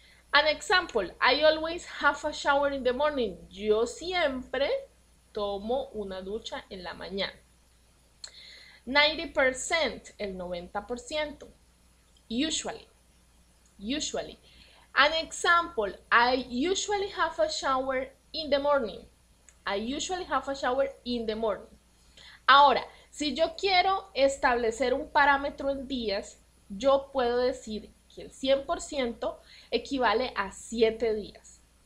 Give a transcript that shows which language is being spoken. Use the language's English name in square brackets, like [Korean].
[English] An example, I always have a shower in the morning. [Spanish] Yo siempre tomo una ducha en la mañana. [English] 90%, el 90%. Usually. Usually. An example, I usually have a shower in the morning. I usually have a shower in the morning. [Spanish] Ahora, si yo quiero establecer un parámetro en días, yo puedo decir que el 100% equivale a 7 días.